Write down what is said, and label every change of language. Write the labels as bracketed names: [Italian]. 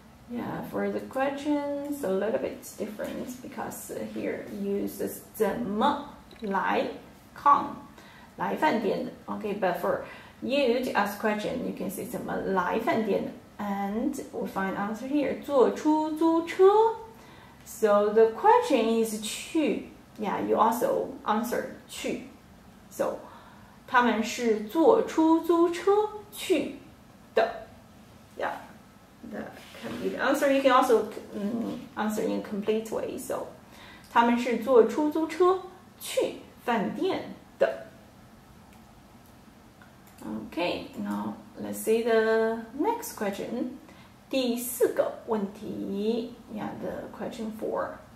[English] Yeah, for the questions, a little bit different because here uses [Chinese] 怎么来, [English] come, [Chinese] 来饭店. [English] Okay, but for you to ask question, you can say [Chinese] 怎么来饭店? [English] And we'll find answer here, [Chinese] 坐出租车. [English] So the question is 去, yeah, you also answer 去. So [Chinese] 他们是坐出租车去的. [English] Yeah, that can be the answer. You can also answer in a complete way. So [Chinese] 他们是坐出租车去饭店的. [English] Okay, now let's see the next question. [Chinese] 第四个问题 [English] yeah, the question four.